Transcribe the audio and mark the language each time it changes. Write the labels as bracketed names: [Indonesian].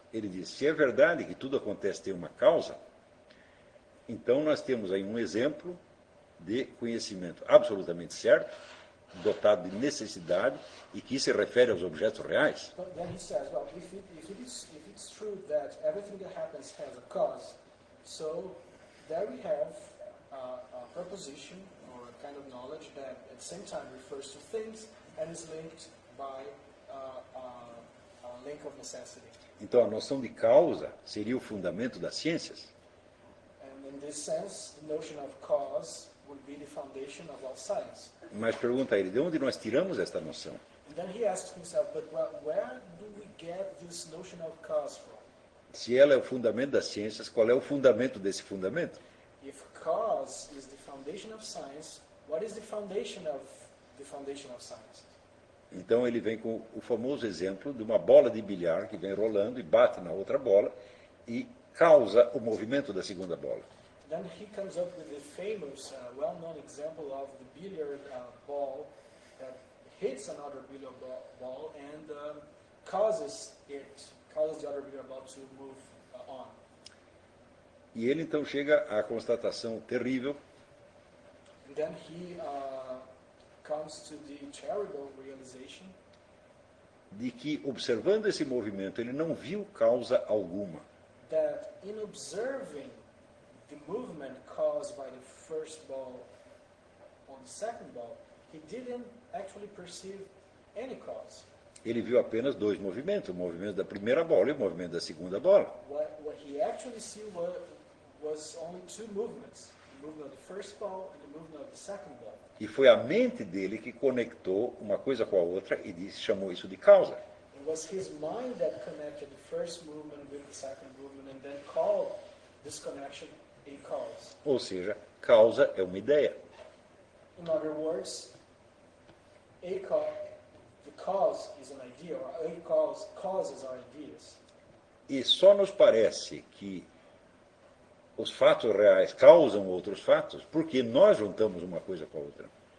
[Portuguese] Ele diz, se é verdade que tudo acontece tem uma causa, então nós temos aí um exemplo de conhecimento absolutamente certo, dotado de necessidade e que se refere aos objetos reais. [English] Then he says, well, if it's true that everything that happens has a cause, so there we have a proposition or a kind of knowledge that at the same time refers to things and is linked by a link of necessity. [Portuguese] Então a noção de causa seria o fundamento das ciências? [English] And in this sense, the notion of cause would be the foundation of all science. [Portuguese] Mas pergunta ele, de onde nós tiramos esta noção? [English] And then he asks himself, but where do we get this notion of cause from? [Portuguese] Se ela é o fundamento das ciências, qual é o fundamento desse fundamento? [English] If cause is the foundation of science, what is the foundation of the foundation of science? [Portuguese] Então ele vem com o famoso exemplo de uma bola de bilhar que vem rolando e bate na outra bola e causa o movimento da segunda bola. [English] Then he comes up with the famous, well-known example of the billiard ball that hits another billiard ball and causes the other billiard ball to move on. [Portuguese] E ele então chega à constatação terrível. [English] And then he comes to the terrible realization [Portuguese] de que observando esse movimento ele não viu causa alguma. [English] That in observing the movement caused by the first ball on the second ball, he didn't actually perceive any cause. [Portuguese] Ele viu apenas dois movimentos, o movimento da primeira bola e o movimento da segunda bola. [English] What he actually saw was only two movements, the movement of the first ball and the movement of the second ball. [Portuguese] E foi a mente dele que conectou uma coisa com a outra e disse, chamou isso de causa. [English] It was his mind that connected the first movement with the second movement and then called this connection a cause. [Portuguese] Ou seja, causa é uma ideia. [English] In other words, the cause is an idea, or a causes are ideas. [Portuguese] E só nos parece que os fatos reais causam outros fatos porque nós juntamos uma coisa com a outra.